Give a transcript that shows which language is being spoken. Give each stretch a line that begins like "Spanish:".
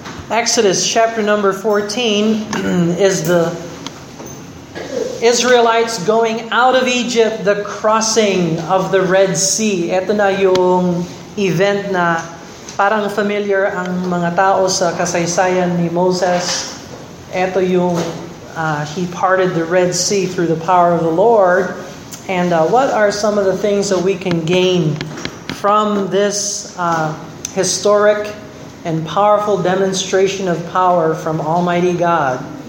English: Exodus chapter number 14 is the Israelites going out of Egypt, the crossing of the Red Sea.
Filipino: Ito na yung event na parang familiar ang mga tao sa kasaysayan ni Moses. Ito yung
English: he parted the Red Sea through the power of the Lord. And what are some of the things that we can gain from this historic and powerful demonstration of power from Almighty God?